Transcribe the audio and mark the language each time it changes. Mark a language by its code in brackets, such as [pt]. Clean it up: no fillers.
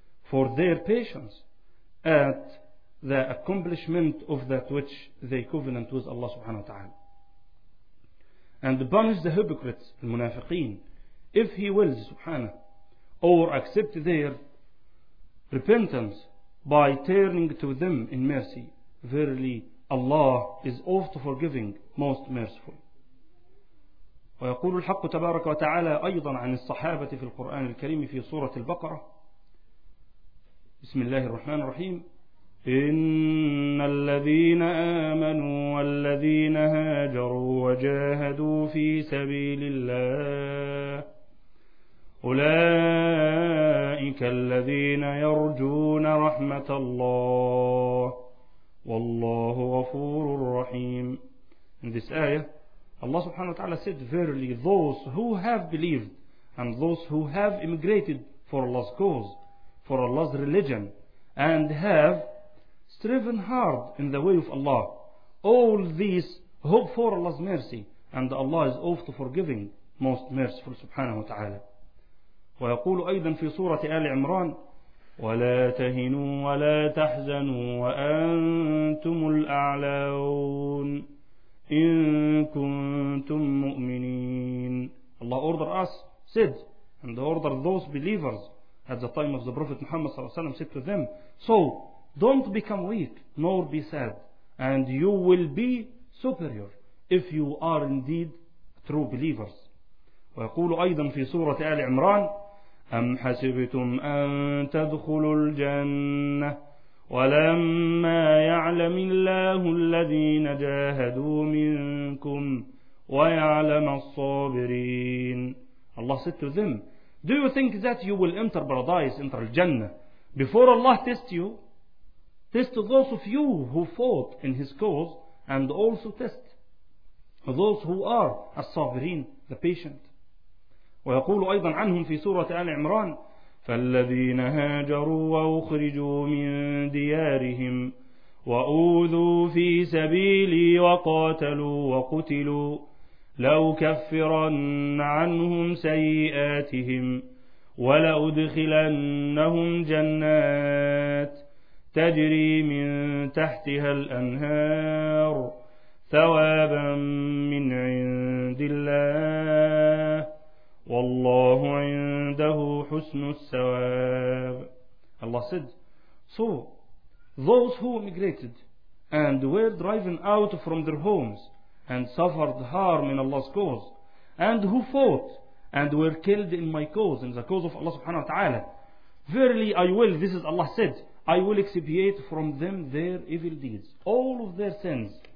[en] for their patience at the accomplishment of that which they covenant with Allah subhanahu wa ta'ala, and punish the hypocrites, the munafiqeen, if he wills subhanahu, or accept their repentance by turning to them in mercy. Verily Allah is oft forgiving, most merciful. [ar] ويقول الحق تبارك وتعالى أيضا عن الصحابة في القرآن الكريم في سورة البقرة: بسم الله الرحمن الرحيم. إن الذين آمنوا والذين هاجروا وجاهدوا في سبيل الله أولئك الذين يرجون رحمة الله والله غفور رحيم. [en] In this ayah, Allah subhanahu wa ta'ala said, verily those who have believed and those who have immigrated for Allah's cause, for Allah's religion, and have striven hard in the way of Allah, all these hope for Allah's mercy, and Allah is oft forgiving, most merciful subhanahu wa ta'ala. [ar] ويقول أيضا في سورة آل عمران: ولا تهنوا ولا تحزنوا وأنتم الأعلون إن كنتم مؤمنين. [en] Allah ordered us, said, and ordered those believers at the time of the Prophet Muhammad [ar] صلى الله عليه وسلم, [en] said to them, so don't become weak nor be sad, and you will be superior if you are indeed true believers. [ar] ويقول أيضا في سورة آل عمران: أم حسبتم أن تدخلوا الجنة ولما يعلم الله الذين جاهدوا منكم ويعلم الصابرين. [en] Allah said to them, do you think that you will enter paradise, enter Jannah, before Allah tests you? Test those of you who fought in his cause, and also test those who are as-sabirin, the patient. [ar] ويقول أيضا عنهم في سورة آل عمران: فالذين هاجروا وأخرجوا من ديارهم وأوذوا في سبيلي وقاتلوا وقتلوا لأكفرن عنهم سيئاتهم ولأدخلنهم جنات تجري من تحتها الأنهار ثوابا من عند الله والله عنده حسن الثواب. [en] Allah said, so those who emigrated and were driven out from their homes and suffered harm in Allah's cause, and who fought and were killed in my cause, in the cause of Allah subhanahu wa ta'ala, verily I will, this is Allah said, I will expiate from them their evil deeds, all of their sins,